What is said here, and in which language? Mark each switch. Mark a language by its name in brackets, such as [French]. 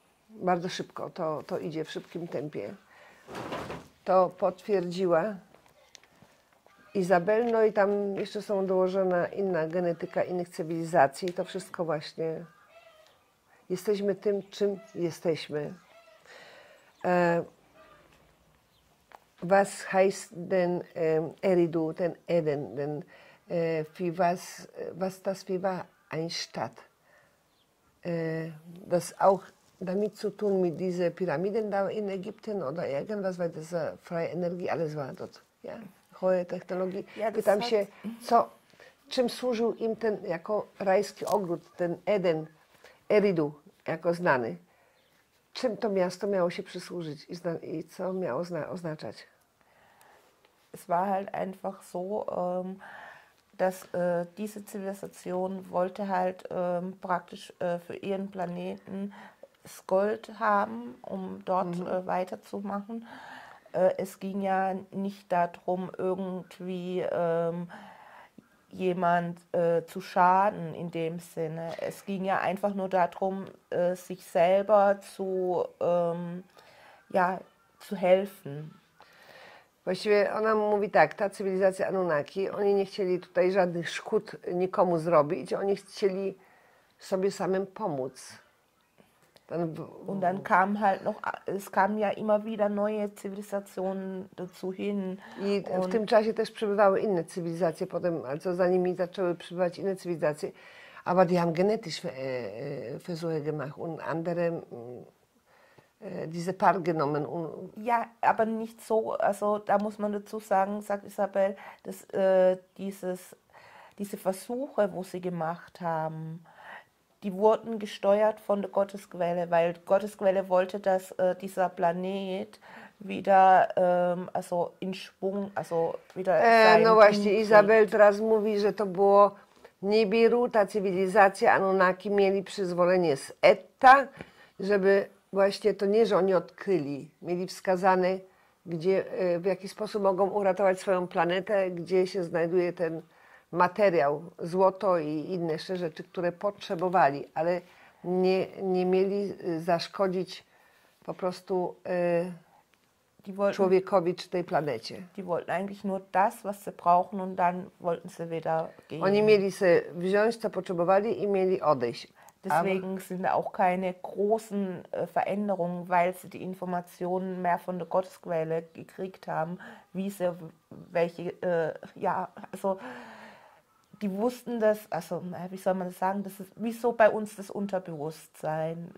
[Polish] Bardzo szybko, to idzie w szybkim tempie. To potwierdziła Izabel, no i tam jeszcze są dołożona inna genetyka innych cywilizacji. To wszystko właśnie, jesteśmy tym, czym jesteśmy. [German] Was heißt denn Eridu, [Polish] ten Eden, [German] denn was das für war ein Stadt? Das auch damit zu tun mit diesen Pyramiden da in Ägypten oder irgendwas, weil das freie Energie, alles war dort, ja, hohe Technologie. [Polish] Ja, pytam się, co, czym służył im ten jako rajski ogród, ten Eden, Eridu, jako znany? Czym to miasto miało się przysłużyć i co miało oznaczać? [German] Es war halt einfach so, dass diese Zivilisation wollte halt praktisch für ihren Planeten das Gold haben, um dort weiterzumachen. Es ging ja nicht darum, irgendwie jemand zu schaden in dem Sinne. Es ging ja einfach nur darum, sich selber zu, ja, zu helfen. [Polish] Właściwie ona mówi tak, ta cywilizacja Anunnaki, oni nie chcieli tutaj żadnych szkód nikomu zrobić, oni chcieli sobie samym pomóc. [German] Und dann kam halt noch, es kamen ja immer wieder neue Zivilisationen dazu hin. [Polish] I w tym czasie też przybywały inne cywilizacje, potem, also za nimi zaczęły przybywać inne cywilizacje. [German] Aber die haben genetisch Versuche gemacht und andere, diese paar genommen. Ja, aber nicht so, also da muss man dazu sagen, sagt Isabel, dass diese Versuche, wo sie gemacht haben, die wurden gesteuert von der Gottesquelle, weil die Gottesquelle wollte, dass dieser Planet wieder also in Schwung, also wieder [Polish] no właśnie, Isabel teraz mówi, że to było Nibiru, ta cywilizacja Anunnaki mieli przyzwolenie z Etta, żeby właśnie to nie, że oni odkryli, mieli wskazane, gdzie, w jaki sposób mogą uratować swoją planetę, gdzie się znajduje ten materiał, złoto i inne jeszcze rzeczy, które potrzebowali, ale nie mieli zaszkodzić po prostu człowiekowi czy tej planecie. [German] Die wollten eigentlich nur das, was sie brauchen und dann wollten sie wieder gehen. [Polish] Oni mieli sobie wziąć, co potrzebowali i mieli odejść. [German] Deswegen sind auch keine großen Veränderungen, weil sie die Informationen mehr von der Gottesquelle gekriegt haben, wie sie welche, ja, also die wussten das, also wie soll man das sagen, das ist wie so bei uns das Unterbewusstsein.